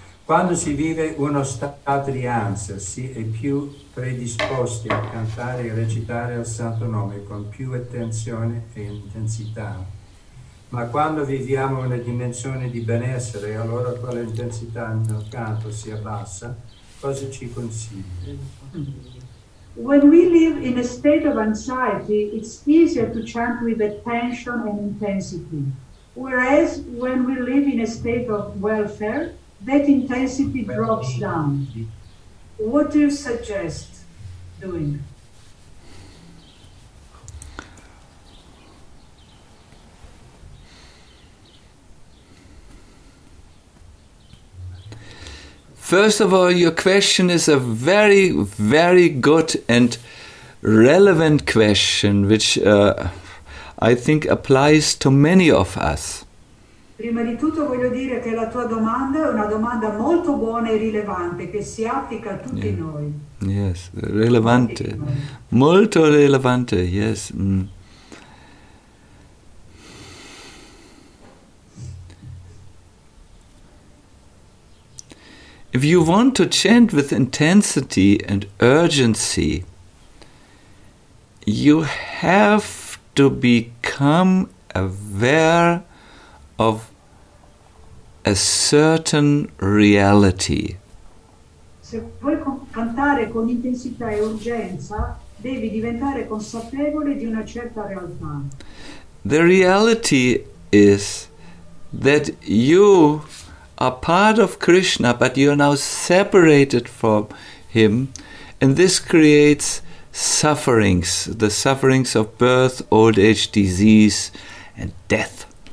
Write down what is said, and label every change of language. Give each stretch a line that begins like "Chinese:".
Italian: Quando si vive uno stato di ansia, si è più predisposti a cantare e recitare il Santo Nome con più attenzione e intensità. Ma quando viviamo una dimensione di benessere, allora quella intensità nel canto si abbassa, cosa ci consigli?
English: When we live in a state of anxiety, it's easier to chant with attention and intensity. Whereas when we live in a state of welfare, that intensity drops down. What do you suggest doing? First of all, your question is a very, very good and relevant question, which I think applies to many of us.
Italian: Prima di tutto voglio dire che la tua domanda è una domanda molto buona e rilevante che si applica a tutti noi. Yes, rilevante. Molto rilevante, yes.
English: If you want to chant with intensity and urgency, you have to become aware of a certain reality.
Italian: Se vuoi cantare con intensità e urgenza, devi diventare consapevole di una certa realtà.
English: The reality is that you are part of Krishna, but you are now separated from him, and this creates sufferings, the sufferings of birth, old age, disease, and death.